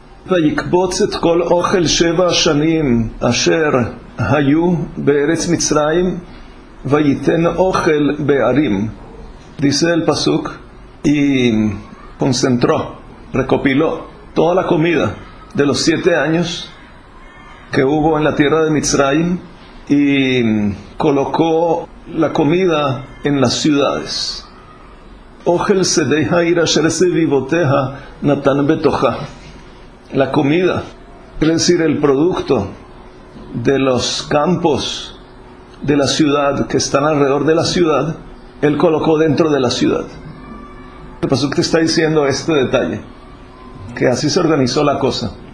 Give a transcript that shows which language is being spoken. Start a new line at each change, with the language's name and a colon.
Hebrew: ויקבוץ את כל אוכל שבע שנים אשר היו בארץ מצרים ויתן אוכל בערים.
Spanish: Dice el pasuk, y concentró, recopiló toda la comida de los siete años que hubo en la tierra de Mitzrayim y colocó la comida en las ciudades.
Hebrew: אוכל שדי העיר אשר סביבותיה נתן בתוכה.
Spanish: La comida, es decir, el producto de los campos de la ciudad que están alrededor de la ciudad, él colocó dentro de la ciudad. El pasuk te está diciendo este detalle, que así se organizó la cosa.